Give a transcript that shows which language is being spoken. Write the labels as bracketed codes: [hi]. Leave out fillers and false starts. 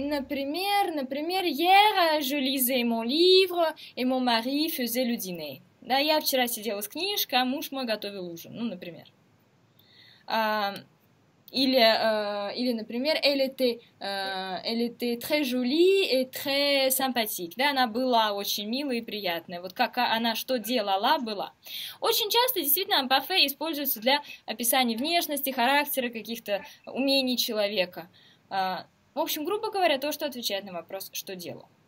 [ru] Например, [fr] hier je lisais mon livre et mon mari faisait le dîner. [ru] Да, я вчера сидела с книжкой, а муж мой готовил ужин. Ну, например. Или, например, [fr] elle était très jolie et très sympathique. [ru] Да, она была очень милая и приятная. Вот как она что делала, была. Очень часто действительно imparfait используется для описания внешности, характера, каких-то умений человека. В общем, грубо говоря, то, что отвечает на вопрос, что делал.